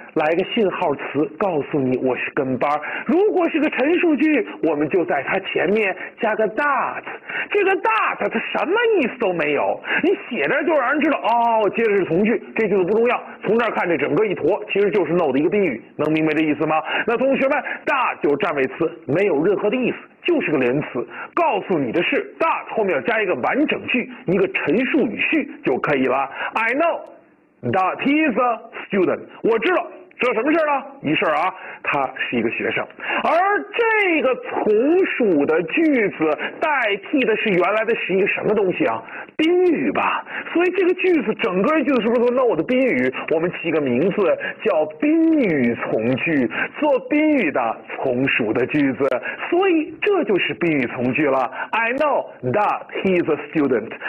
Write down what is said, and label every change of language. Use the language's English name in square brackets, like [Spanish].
[Chinese] 来个信号词告诉你我是跟班。如果是个陈述句，我们就在它前面加个 that， 这个 that 它什么意思都没有，你写着就让人知道哦，接着是从句，这句子不重要，从这儿看这整个一坨其实就是 no 的一个宾语，能明白这意思吗？那同学们， that 就是占位词，没有任何的意思，就是个连词，告诉你的是 that 后面要加一个完整句，一个陈述语序就可以了。 [English] I know that he's a student， [Chinese] 我知道，这什么事呢？一事啊，他是一个学生。而这个从属的句子代替的是原来的是一个什么东西啊？宾语吧。所以这个句子整个句子是不是都 know 的宾语？我们起个名字叫宾语从句，做宾语的从属的句子，所以这就是宾语从句了。 [English] I know that he's a student。